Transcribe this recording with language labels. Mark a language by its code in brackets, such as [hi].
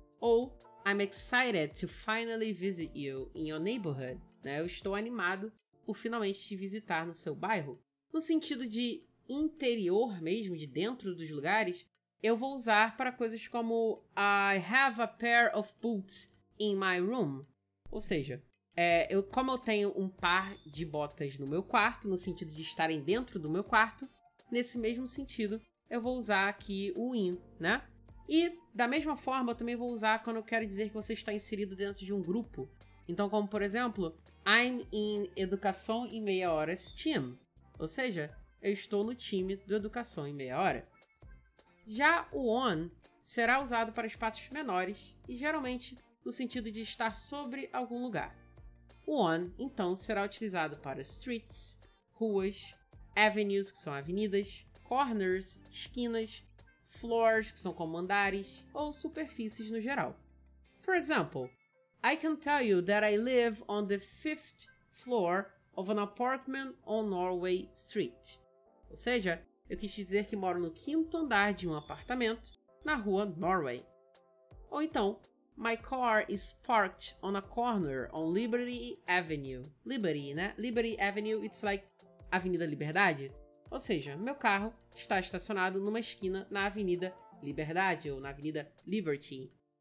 [en] Ou I'm excited to finally visit you in your neighborhood. [pt] Né? Eu estou animado por finalmente te visitar no seu bairro. No sentido de interior mesmo, de dentro dos lugares, eu vou usar para coisas como [en] I have a pair of boots in my room. [pt] Ou seja, como eu tenho um par de botas no meu quarto, no sentido de estarem dentro do meu quarto, nesse mesmo sentido, eu vou usar aqui o in, né? E, da mesma forma, eu também vou usar quando eu quero dizer que você está inserido dentro de um grupo. Então, como por exemplo, [en] I'm in Educação em Meia Hora's team. [pt] Ou seja, eu estou no time do Educação em Meia Hora. Já o on será usado para espaços menores e, geralmente, no sentido de estar sobre algum lugar. O on, então, será utilizado para streets, ruas, avenues, que são avenidas, corners, esquinas, floors, que são como andares, ou superfícies no geral. [en] For example, I can tell you that I live on the fifth floor of an apartment on Norway Street. [pt] Ou seja, eu quis te dizer que moro no quinto andar de um apartamento na rua Norway. Ou então, [en] my car is parked on a corner on Liberty Avenue. Liberty, né? Liberty Avenue, it's like Avenida Liberdade. [pt] Ou seja, meu carro está estacionado numa esquina na Avenida Liberdade, ou na Avenida Liberty.